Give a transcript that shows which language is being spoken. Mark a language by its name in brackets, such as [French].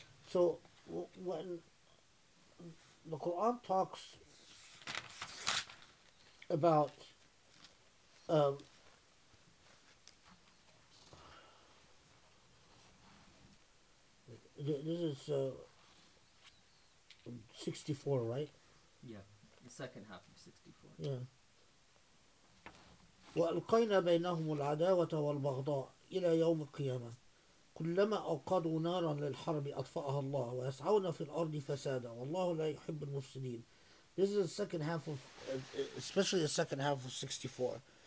[English] So when the Quran talks about this is 64, right? Yeah, the second half of 64. Yeah. [Arabic] وألقينا بينهم العداوة والبغضاء إلى يوم القيامة كلما أوقدوا نارا للحرب أطفأها الله ويسعون في الأرض فسادا والله لا يحب المفسدين. [English] This is the second half of, especially the second half of 64.